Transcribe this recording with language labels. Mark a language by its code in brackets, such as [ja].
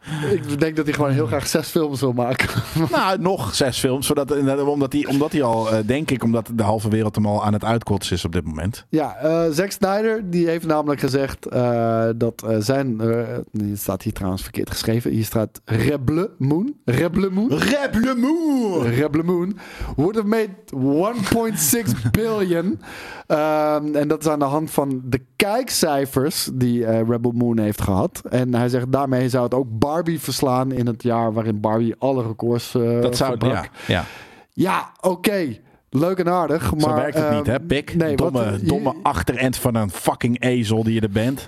[nl] Ik denk dat hij gewoon heel graag 6 films wil maken. Nou, nog 6 films. Omdat hij al, denk ik, omdat de halve wereld hem al aan het uitkotsen is op dit moment. Ja, Zack Snyder die heeft namelijk gezegd dat zijn... Hier staat hier trouwens verkeerd geschreven. Hier staat [en] Rebel Moon would have made 1.6 billion. [nl] En dat is aan de hand van de kijkcijfers die Rebel Moon heeft gehad. En hij zegt, daarmee zou het ook Barbie verslaan in het jaar waarin Barbie alle records dat zou verbrak. Ja oké. Leuk en aardig, maar... Zo werkt het niet, hè, Pik? Nee, domme achterend van een fucking ezel die je er bent.